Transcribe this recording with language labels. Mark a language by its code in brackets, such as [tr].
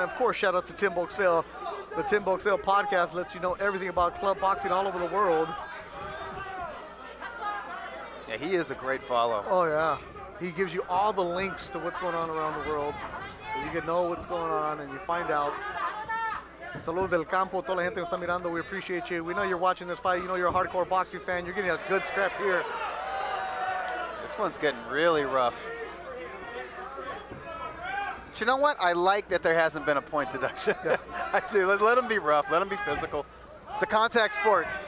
[en] And of course, shout out to Tim Boxell. The Tim Boxell podcast lets you know everything about club boxing all over the world. Yeah, he is a great follow. Oh, yeah. He gives you all the links to what's going on around the world. You can know what's going on and you find out. [es] Saludos del campo, toda la gente que está mirando. [en] We appreciate you. We know you're watching this fight. You know you're a hardcore boxing fan. You're getting a good scrap here. This one's getting really rough. But you know what? I like that there hasn't been a point deduction. Yeah. I do. Let them be rough. Let them be physical. It's a contact sport.